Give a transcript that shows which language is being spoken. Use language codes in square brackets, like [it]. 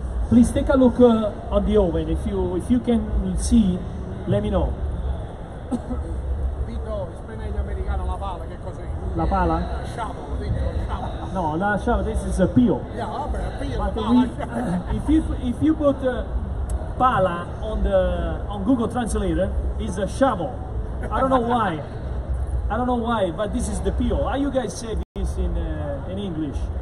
[en] Please take a look on the oven. If you can see, let me know. [it] Vito, esprime gli americani la pala, che cos'è? La pala? [en] Shovel, Vito, shovel. No, la shovel, this is a peel. Yeah, vabbè, peel, but [it] pala. [en] If you put pala on Google Translator, it's a shovel. I don't know why. I don't know why, but this is the peel. How you guys say this in English?